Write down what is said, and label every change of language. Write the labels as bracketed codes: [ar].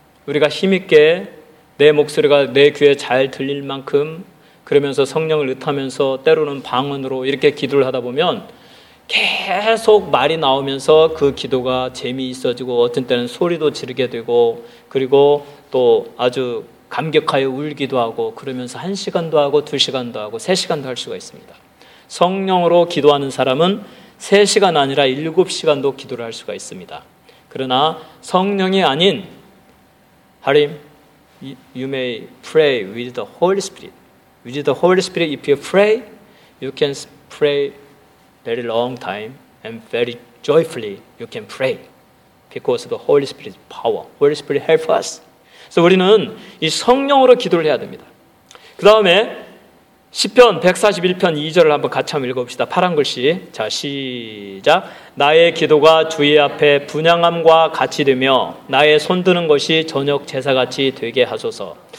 [ko] 우리가 힘있게 내 목소리가 내 귀에 잘 들릴 만큼, 그러면서 성령을 으타면서 때로는 방언으로 이렇게 기도를 하다 보면 계속 말이 나오면서 그 기도가 재미있어지고, 어떤 때는 소리도 지르게 되고, 그리고 또 아주 감격하여 울기도 하고, 그러면서 한 시간도 하고 두 시간도 하고 세 시간도 할 수가 있습니다. 성령으로 기도하는 사람은 세 시간 아니라 일곱 시간도 기도를 할 수가 있습니다. 그러나 성령이 아닌 하나님, [en] you may pray with the Holy Spirit. With the Holy Spirit, if you pray, you can pray very long time and very joyfully. You can pray because of the Holy Spirit's power. Holy Spirit help us. [ko] 그래서 우리는 이 성령으로 기도를 해야 됩니다. 그 다음에 시편 141편 2절을 한번 같이 한번 읽어봅시다. 파란 글씨. 자, 시작. 나의 기도가 주의 앞에 분향함과 같이 되며 나의 손 드는 것이 저녁 제사같이 되게 하소서.